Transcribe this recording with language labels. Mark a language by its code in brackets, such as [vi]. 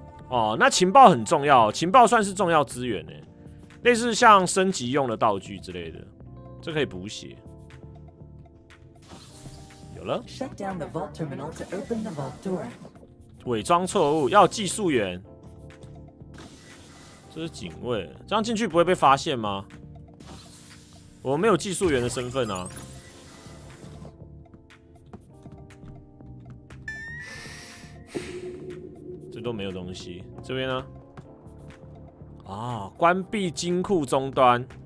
[zh] 哦，那情报很重要，情报算是重要资源呢，类似像升级用的道具之类的，这可以补血。有了。 [en] Shut down the vault terminal to open the vault door. [zh] 伪装错误，要技术员。这是警卫，这样进去不会被发现吗？我没有技术员的身份啊。都没有东西，这边呢？啊、哦，关闭金库终端。